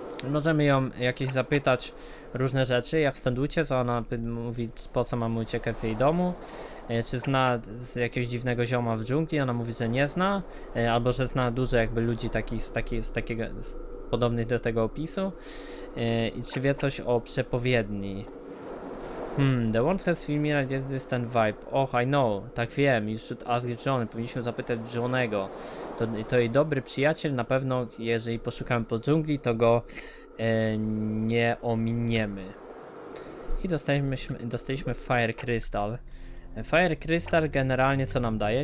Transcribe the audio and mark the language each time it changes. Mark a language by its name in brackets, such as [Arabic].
[Polish] Możemy ją jakieś zapytać różne rzeczy, jak stąd uciec, ona mówi, po co mam uciekać z jej domu. Czy zna z jakiegoś dziwnego zioma w dżungli, ona mówi, że nie zna. Albo że zna dużo jakby ludzi takich z podobnych do tego opisu. I czy wie coś o przepowiedni. [English] The one has familiar distant vibe. Och, I know. [Polish] Tak wiem. [English] You should ask Johnny. [Polish] Powinniśmy zapytać Johnny'ego. To jej dobry przyjaciel. Na pewno, jeżeli poszukamy po dżungli, to go nie ominiemy. I dostaliśmy Fire Crystal. Fire Crystal generalnie co nam daje?